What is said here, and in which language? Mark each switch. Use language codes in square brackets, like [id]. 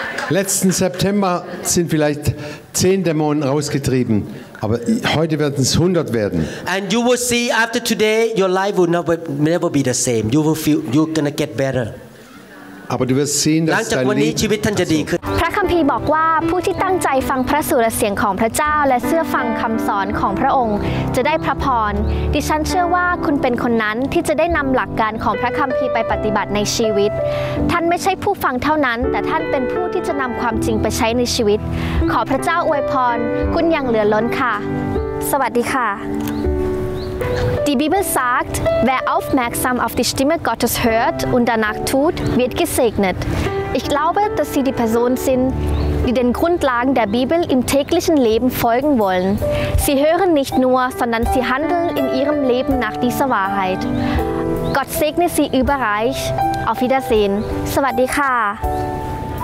[de] Letzten September sind vielleicht 10 Dämonen rausgetrieben aber heute werden es 100 werden [en] And you will see after today your life will never be the same you will feel you're going to get better [de] Aber du wirst sehen, dass [th] หลังจากวันนี้ชีวิตท่านจะดีขึ้น พระคัมภีร์บอกว่าผู้ที่ตั้งใจฟังพระสุรเสียงของพระเจ้าและเชื่อฟังคำสอนของพระองค์จะได้พระพรดิฉันเชื่อว่าคุณเป็นคนนั้นที่จะได้นำหลักการของพระคัมภีร์ไปปฏิบัติในชีวิตท่านไม่ใช่ผู้ฟังเท่านั้นแต่ท่านเป็นผู้ที่จะนำความจริงไปใช้ในชีวิตขอพระเจ้าอวยพรคุณอย่างเหลือล้นค่ะสวัสดีค่ะ [de] Die Bibel sagt, wer aufmerksam auf die Stimme Gottes hört und danach tut, wird gesegnet. Ich glaube, dass Sie die Person sind, die den Grundlagen der Bibel im täglichen Leben folgen wollen. Sie hören nicht nur, sondern Sie handeln in Ihrem Leben nach dieser Wahrheit. Gott segne Sie überreich. Auf Wiedersehen. [th] สวัสดีค่ะ